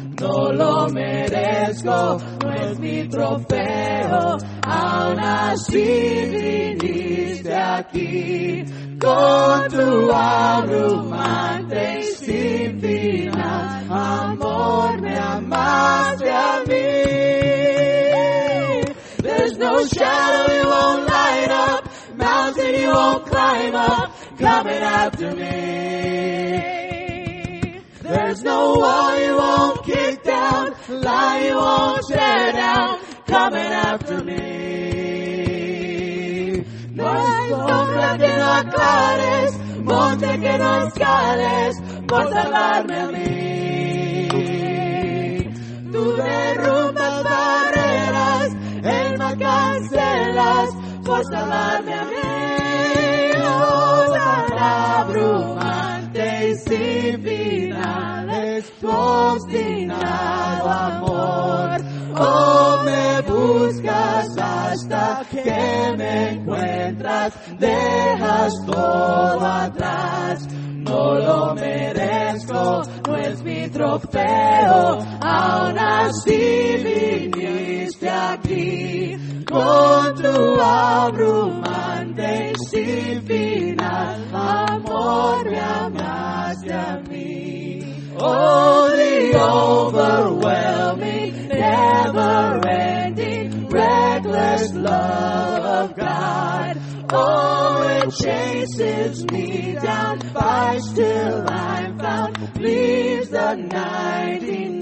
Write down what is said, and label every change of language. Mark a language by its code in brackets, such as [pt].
[es] No lo merezco, no es mi trofeo, aún así viniste aquí. Con tu abrumante y sin final amor me amaste a mí. [en] There's no shadow you won't light up, mountain you won't climb up, coming after me. There's no wall you won't kick down, lie you won't tear down, coming after me. [es] No hay sombra que no aclares, monte que no escales, por salvarme a mí. Tú derrumbas barreras, el mal cancelas, por salvarme a mí. Oh, tan abrumante y sin final es tu obstinado amor. Oh, me buscas hasta que me encuentras, dejas todo atrás. No lo merezco, no es mi trofeo, aún así viniste aquí. Con tu abrumante y sin final amor me amaste a mí. [en] Oh, the overwhelming, never-ending, reckless love of God. Oh, it chases me down, fights till I'm found, leaves the 99.